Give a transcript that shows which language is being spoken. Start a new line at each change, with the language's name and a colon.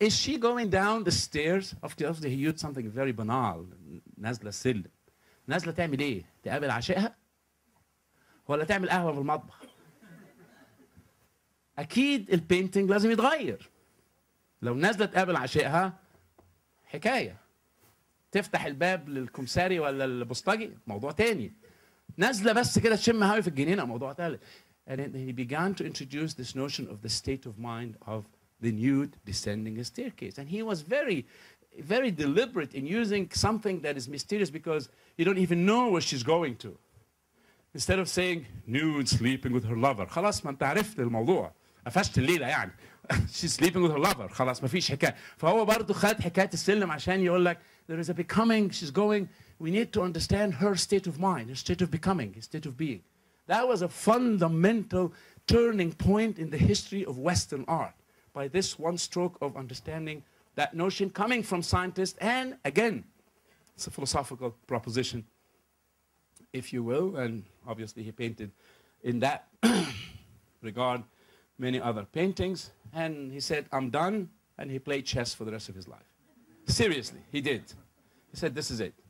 English: Is she going down the stairs? Obviously, he used something very banal.
Arabic: نازلة سل. نازلة تعمل إيه؟ تقابل عشاءها؟ ولا تعمل قهوة في المطبخ؟ أكيد البينتينج لازم يتغير. لو نازلة تقابل عشاءها حكاية. تفتح الباب للكمساري ولا البوسطجي موضوع تاني. نازلة بس كده تشم هواء في الجنينة موضوع تالت.
English: And then he began to introduce this notion of the state of mind of the nude descending a staircase. And he was very, very deliberate in using something that is mysterious because you don't even know where she's going to. Instead of saying nude sleeping with her lover,
Arabic: خلاص ما انت عرفت الموضوع. قفشت الليلة يعني.
English: She's sleeping with her lover.
Arabic: خلاص ما فيش حكاية. فهو برضو خد حكاية السلم عشان يقول لك
English: there is a becoming, she's going. We need to understand her state of mind, her state of becoming, her state of being. That was a fundamental turning point in the history of Western art by this one stroke of understanding that notion coming from scientists and, again, it's a philosophical proposition, if you will, and obviously he painted in that regard many other paintings, and he said, I'm done, and he played chess for the rest of his life. Seriously, he did. He said, this is it.